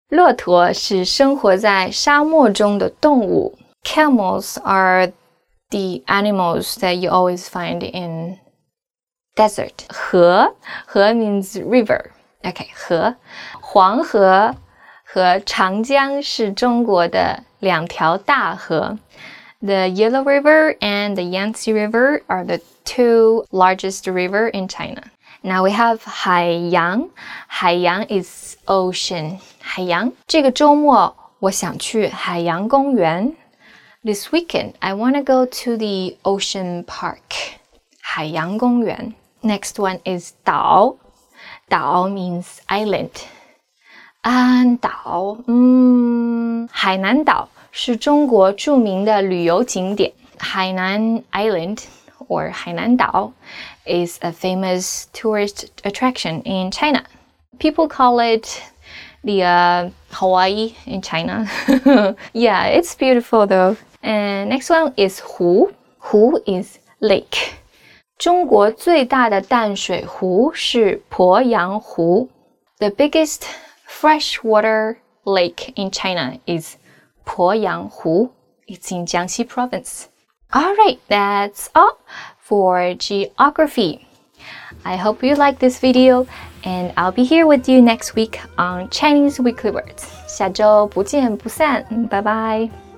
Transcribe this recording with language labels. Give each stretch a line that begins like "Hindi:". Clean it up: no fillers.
Chinese: 骆驼是生活在沙漠中的动物。
English: Camels are the animals that you always find in desert.
Chinese: 河，河
English: means river. Okay,
Chinese: 河。黄河和长江是中国的两条大河。
English: The Yellow River and the Yangtze River are the two largest rivers in China. Now we have
Chinese: 海洋。海洋
English: is ocean.
Chinese: 海洋。这个周末我想去海洋公园。
English: This weekend, I want to go to the ocean park.
Chinese: 海洋公园。
English: Next one is
Chinese: 岛。岛
English: means island.
Chinese: 安岛，海南岛是中国著名的旅游景点。
English: 海南 Island or 海南岛 is a famous tourist attraction in China. People call it the Hawaii in China. Yeah, it's beautiful though. And next one is
Chinese: 湖。湖
English: is lake.
Chinese: 中国最大的淡水湖是鄱阳湖。
English: The biggest freshwater lake in China is
Chinese: 鄱阳湖。
English: It's in Jiangxi province. Alright, that's all for geography. I hope you like this video, and I'll be here with you next week on Chinese Weekly Words.
Chinese: 下周不见不散，拜拜。